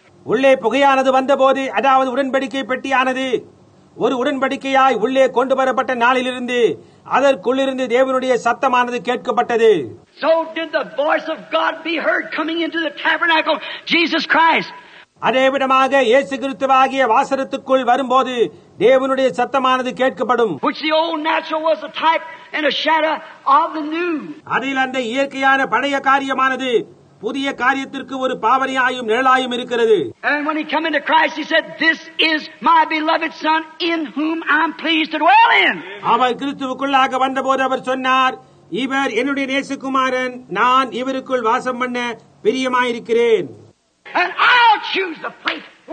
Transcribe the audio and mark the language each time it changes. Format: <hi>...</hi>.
<ta>உள்ளே புகையானது வந்தபோது, அதாவது உடன்படிக்கை பெட்டியானது ஒரு உடன்படிக்கையாய் உள்ளே கொண்டு வரப்பட்ட நாளிலிருந்து அதற்குள்ளிருந்து தேவனுடைய சத்தமானது கேட்கப்பட்டது.</ta> <en>So did the voice of God be heard coming into the tabernacle, Jesus Christ.</en> <ta>அதேவிதமாக இயேசு கிறிஸ்துவாகிய வாசலுக்குள் வரும்போது தேவனுடைய சத்தமானது கேட்கப்படும்.</ta> <en>Which the old natural was a type and a shadow of the new.</en> <ta>அதில் அந்த இயற்கையான பழைய காரியமானது புதிய காரியத்திற்கு ஒரு பாவனையாயும் நிழலாயும் இருக்கிறது.</ta> <en>And when he came into Christ, he said, "This is my beloved son in whom I'm pleased to dwell in."</en> <ta>அவர் கிறிஸ்துவுக்குள்ளாக வந்தபோது அவர் சொன்னார், இவர் என்னுடைய நேசகுமாரன், நான் இவருக்குள் வாசம் பண்ண பிரியமாயிருக்கிறேன்.</ta> <en>And I'll choose the place</en>